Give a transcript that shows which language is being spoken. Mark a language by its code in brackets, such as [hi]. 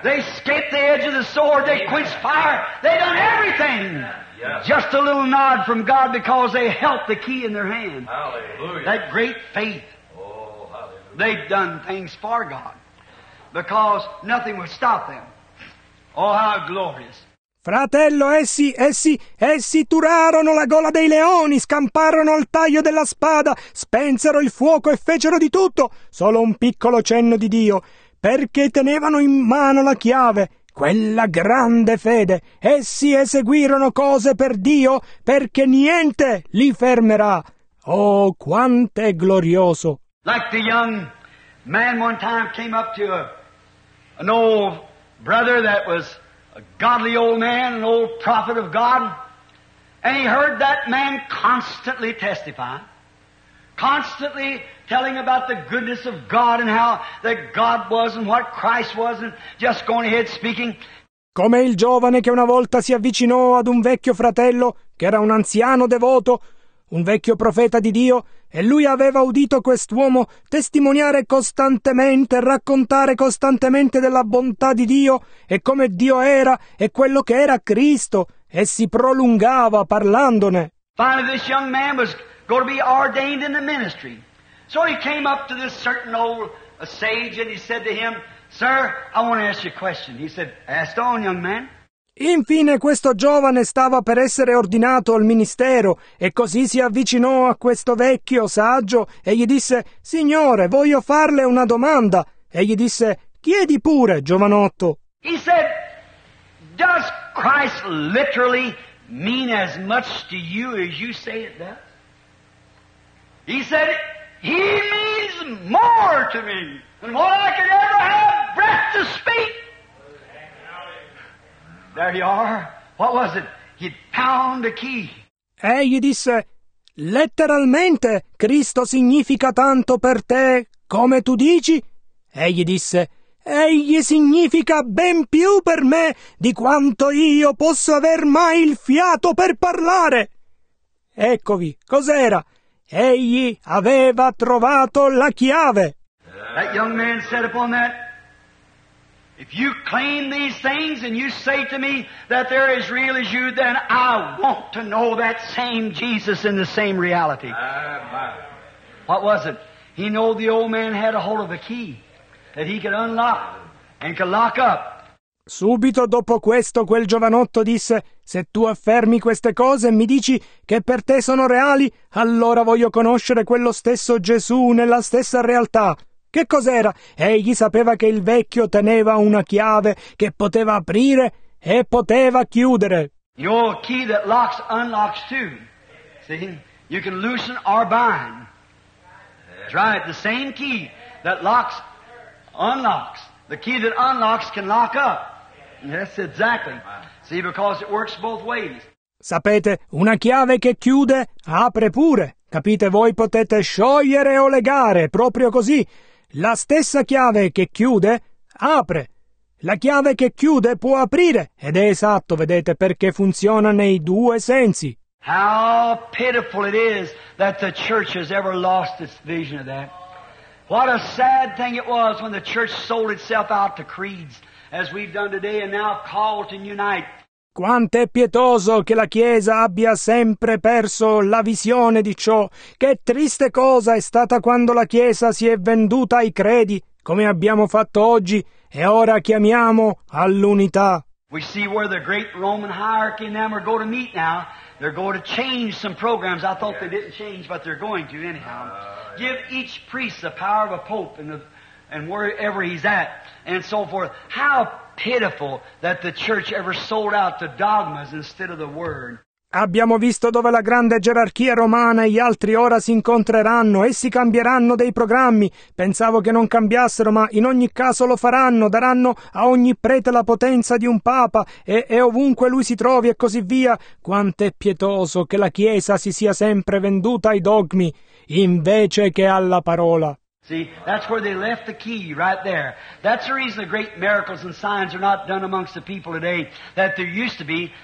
[en] They escaped the edge of the sword. They quenched fire. They done everything. Yes. Just a little nod from God because they held the key in their hand. Hallelujah. That great faith. Oh, hallelujah. They've done things for God because nothing would stop them. Oh, how glorious. [it] Fratello, essi turarono la gola dei leoni, scamparono al taglio della spada, spensero il fuoco e fecero di tutto, solo un piccolo cenno di Dio, perché tenevano in mano la chiave. Quella grande fede, essi eseguirono cose per Dio perché niente li fermerà. Oh, quanto è glorioso! [en] Like the young man one time came up to an old brother that was a godly old man, an old prophet of God, and he heard that man constantly testify, constantly telling about the goodness of God and how that God was and what Christ was and just going ahead speaking. [it] Come il giovane che una volta si avvicinò ad un vecchio fratello, che era un anziano devoto, un vecchio profeta di Dio, e lui aveva udito quest'uomo testimoniare costantemente, raccontare costantemente della bontà di Dio e come Dio era e quello che era Cristo, e si prolungava parlandone. [en] Finally, this young man was going to be ordained in the ministry. So he came up to this certain old sage and he said to him, "Sir, I want to ask you a question." He said, "Ask on, young man." [it] Infine questo giovane stava per essere ordinato al ministero e così si avvicinò a questo vecchio saggio e gli disse, "Signore, voglio farle una domanda." E gli disse, "Chiedi pure, giovanotto." [en] He said, "Does Christ literally mean as much to you as you say it does?" He said, "He means more to me than what I could ever have breath to speak." There you are. What was it? He pounded the key. [it] Egli disse, "Letteralmente Cristo significa tanto per te come tu dici?" Egli disse, egli significa ben più per me di quanto io posso aver mai il fiato per parlare. Eccovi, cos'era? Egli aveva trovato la chiave. [en] That young man said upon that, if you claim these things and you say to me that they're as real as you, then I want to know that same Jesus in the same reality. What was it? He knew the old man had a hold of a key that he could unlock and could lock up. [it] Subito dopo questo quel giovanotto disse, se tu affermi queste cose e mi dici che per te sono reali, allora voglio conoscere quello stesso Gesù nella stessa realtà. Che cos'era? Egli sapeva che il vecchio teneva una chiave che poteva aprire e poteva chiudere. [en] Your key that locks unlocks too. See? You can loosen or bind. That's right. The same key that locks unlocks. The key that unlocks can lock up. Yes, exactly. See, because it works both ways. [it] Sapete, una chiave che chiude apre pure. Capite, voi potete sciogliere o legare, proprio così. La stessa chiave che chiude apre. La chiave che chiude può aprire. Ed è esatto, vedete, perché funziona nei due sensi. [en] How pitiful it is that the church has ever lost its vision of that. What a sad thing it was when the church sold itself out to creeds, as we've done today, and now called to unite. [it] Quanto è pietoso che la Chiesa abbia sempre perso la visione di ciò. Che triste cosa è stata quando la Chiesa si è venduta ai credi, come abbiamo fatto oggi, e ora chiamiamo all'unità. [en] We see where the great Roman hierarchy and them are going to meet now. They're going to change some programs. I thought they didn't change, but they're going to anyhow. Give each priest the power of a pope and wherever he's at and so forth. How pitiful that the church ever sold out to dogmas instead of the word. [it] Abbiamo visto dove la grande gerarchia romana e gli altri ora si incontreranno. Essi cambieranno dei programmi. Pensavo che non cambiassero, ma in ogni caso lo faranno. Daranno a ogni prete la potenza di un papa e ovunque lui si trovi e così via. Quanto è pietoso che la Chiesa si sia sempre venduta ai dogmi invece che alla parola. [en] See, that's where they left the key, right there. That's the reason the great miracles and signs are not done amongst the people today that there used to be.